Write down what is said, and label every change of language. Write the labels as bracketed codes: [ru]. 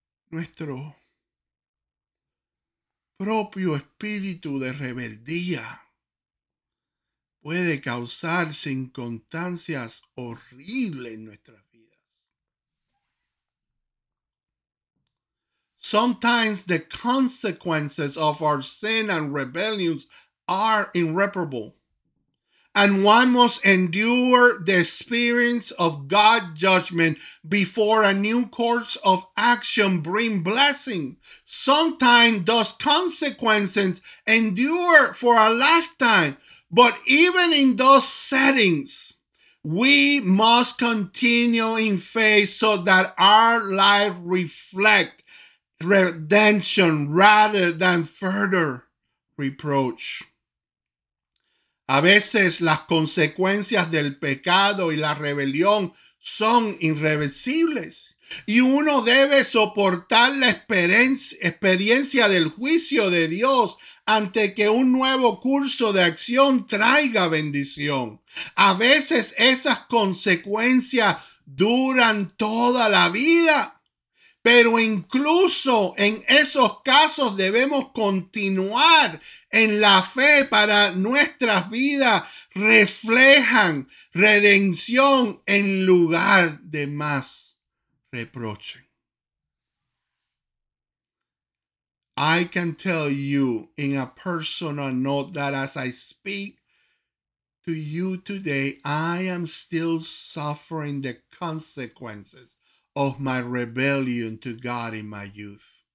[es] Nuestro propio espíritu de rebeldía puede causar circunstancias horribles en nuestras vidas. [en] Sometimes the consequences of our sin and rebellions are irreparable, and one must endure the experience of God's judgment before a new course of action bring blessing. Sometimes those consequences endure for a lifetime. But even in those settings, we must continue in faith so that our life reflect redemption rather than further reproach. [es] A veces las consecuencias del pecado y la rebelión son irreversibles y uno debe soportar la experiencia del juicio de Dios ante que un nuevo curso de acción traiga bendición. A veces esas consecuencias duran toda la vida, Pero incluso en esos casos debemos continuar en la fe para nuestras vidas reflejan redención en lugar de más reproche. [en] I can tell you in a personal note that as I speak to you today, I am still suffering the consequences of my rebellion to God in my youth.